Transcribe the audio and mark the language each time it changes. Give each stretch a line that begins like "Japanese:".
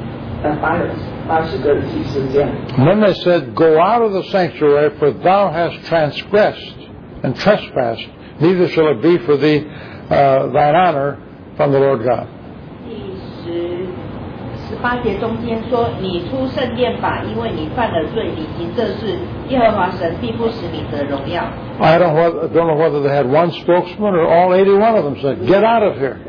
Chinese: 这个十七节就是那个祭司亚撒利亚带的那个八十个祭司这样。
English: Then they said, "Go out of the sanctuary, for thou hast transgressed and trespassed. Neither shall it be for thee thine honor from the Lord God."
Chinese: 第十八节中间说，你出圣殿吧，因为你犯了罪，你行这事，耶和华神必不使你得荣耀。
English: I don't know whether they had one spokesman or all 81 of them said, "Get out of here."